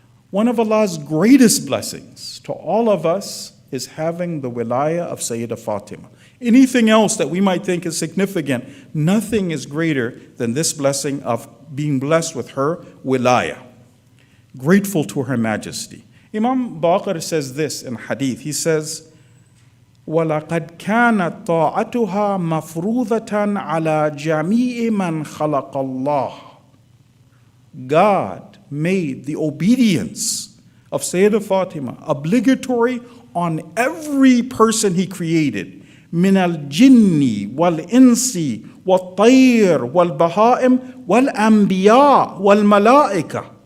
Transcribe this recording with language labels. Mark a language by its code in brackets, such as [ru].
[en] One of Allah's greatest blessings to all of us is having the wilaya of Sayyidah Fatima. Anything else that we might think is significant, nothing is greater than this blessing of being blessed with her wilaya. Grateful to Her Majesty. Imam Baqir says this in hadith. He says, [ar] وَلَقَدْ كَانَتْ طَاعَتُهَا مَفْرُوذَةً عَلَىٰ جَمِيعِ مَنْ خَلَقَ اللَّهِ. [en] God made the obedience of Sayyidah Fatima obligatory on every person He created. [ar] مِنَ الْجِنِّ وَالْإِنْسِ وَالطَّيْرِ وَالْبَهَائِمِ وَالْأَنْبِيَاءِ وَالْمَلَائِكَةِ.